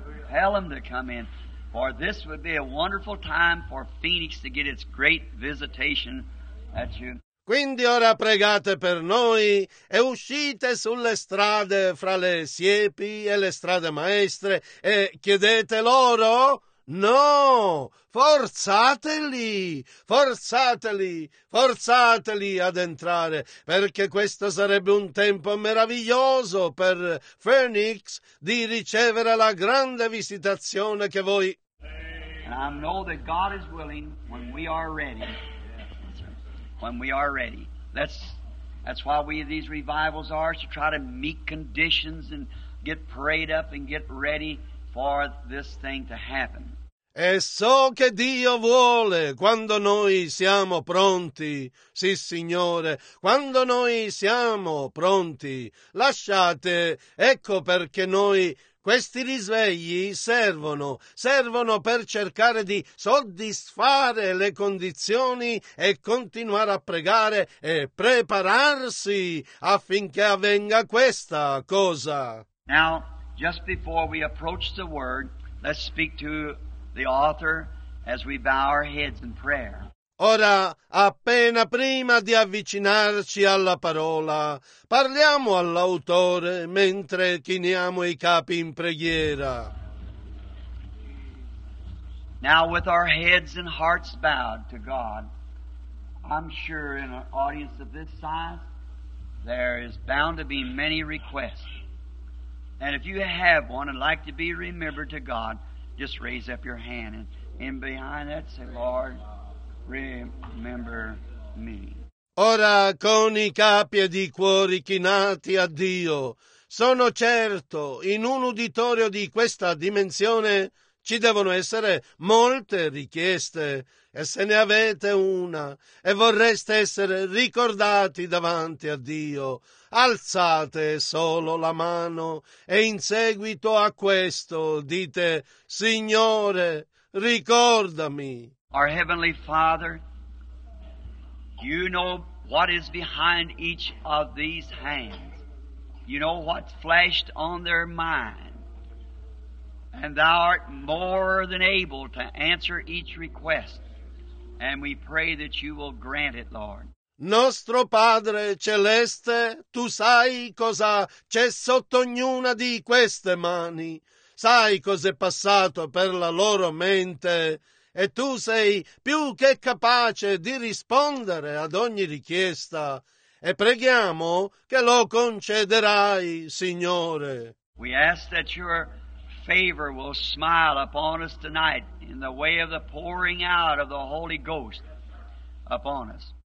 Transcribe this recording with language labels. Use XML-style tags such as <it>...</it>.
<en>Tell them to come in, for this would be a wonderful time for Phoenix to get its great visitation at you.</en> <it>Quindi ora pregate per noi e uscite sulle strade fra le siepi e le strade maestre e chiedete loro? No! Forzateli! Forzateli! Forzateli ad entrare, perché questo sarebbe un tempo meraviglioso per Phoenix di ricevere la grande visitazione che voi...</it> <en>And I know that God is willing when we are ready. When we are ready. That's why we these revivals are, to try to meet conditions and get prayed up and get ready for this thing to happen.</en> <it>E so che Dio vuole quando noi siamo pronti, sì Signore, quando noi siamo pronti, lasciate, ecco perché noi, questi risvegli servono per cercare di soddisfare le condizioni e continuare a pregare e prepararsi affinché avvenga questa cosa.</it> <en>Now, just before we approach the word, let's speak to the author as we bow our heads in prayer.</en> <it>Ora, appena prima di avvicinarci alla parola, parliamo all'autore mentre chiniamo i capi in preghiera.</it> <en>Now with our heads and hearts bowed to God, I'm sure in an audience of this size there is bound to be many requests. And if you have one and like to be remembered to God, just raise up your hand and in behind that say, Lord, remember me.</en> <it>Ora con i capi e di cuori chinati a Dio, sono certo in un uditorio di questa dimensione ci devono essere molte richieste. E se ne avete una e vorreste essere ricordati davanti a Dio, alzate solo la mano e in seguito a questo dite, Signore, ricordami.</it> <en>Our Heavenly Father, you know what is behind each of these hands. You know what flashed on their mind. And thou art more than able to answer each request. And we pray that you will grant it, Lord.</en> <it>Nostro Padre Celeste, tu sai cosa c'è sotto ognuna di queste mani, sai cos'è passato per la loro mente, e tu sei più che capace di rispondere ad ogni richiesta, e preghiamo che lo concederai, Signore.</it> <en>We ask that your favor will smile upon us tonight in the way of the pouring out of the Holy Ghost upon us.</en>